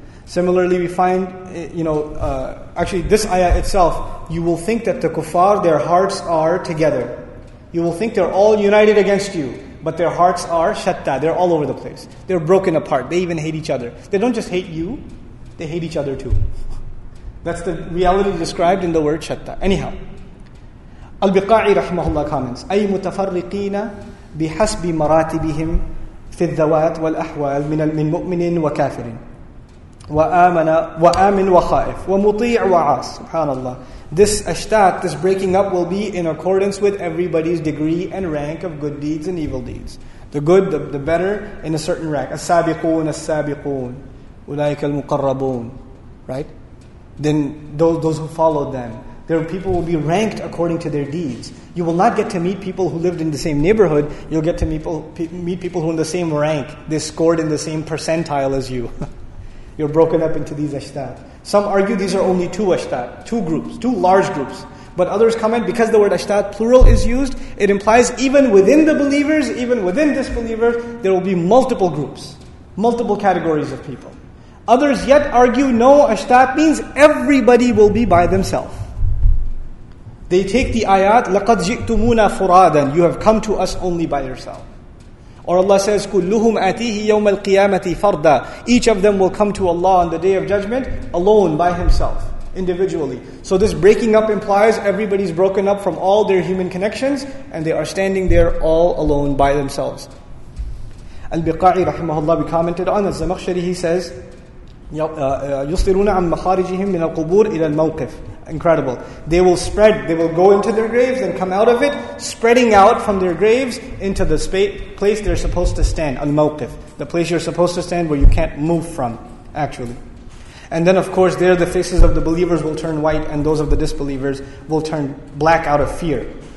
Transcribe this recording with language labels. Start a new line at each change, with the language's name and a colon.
English: Similarly, we find, you know, actually this ayah itself, you will think that the kuffar, their hearts are together. You will think they're all united against you. But their hearts are shatta. They're all over the place. They're broken apart. They even hate each other. They don't just hate you. They hate each other too. That's the reality described in the word shatta. Anyhow, Al-Biqa'i rahmahullah comments,
Arabic: أي متفرقين بحسب مراتبهم في الذوات والأحوال من مؤمن وكافر وآمن وخائف ومطيع وعاص. Subhanallah.
English: This ashtat, this breaking up will be in accordance with everybody's degree and rank of good deeds and evil deeds. The good, the better, in a certain rank.
Arabic: As-sabiqoon, as-sabiqoon, ulaika al-muqarrabun.
English: Right? Then those who followed them. Their people will be ranked according to their deeds. You will not get to meet people who lived in the same neighborhood. You'll get to meet people who are in the same rank. They scored in the same percentile as you. You're broken up into these ashtat. Some argue these are only two ashtat, two groups, two large groups. But others comment, because the word ashtat plural is used, it implies even within the believers, even within disbelievers, there will be multiple groups, multiple categories of people. Others yet argue, no, ashtat means everybody will be by themselves. They take the ayat,
Arabic: لَقَدْ جِئْتُمُونَا فُرَادًا.
English: You have come to us only by yourself. Or Allah says,
Arabic: كُلُّهُمْ أَتِيهِ يَوْمَ الْقِيَامَةِ فَرْدًا.
English: Each of them will come to Allah on the Day of Judgment alone, by himself, individually. So this breaking up implies everybody's broken up from all their human connections and they are standing there all alone by themselves. Al-Biqa'i rahimahullah, we commented on it. Zamakhshari, he says,
Arabic: يُصْدِرُونَ عَنْ مَخَارِجِهِمْ مِنَ الْقُبُورِ إِلَى الْمَوْقِفِ.
English: Incredible. They will spread, they will go into their graves and come out of it, spreading out from their graves into the place they're supposed to stand, al-mawqif, the place you're supposed to stand where you can't move from, actually. And then of course, there the faces of the believers will turn white and those of the disbelievers will turn black out of fear.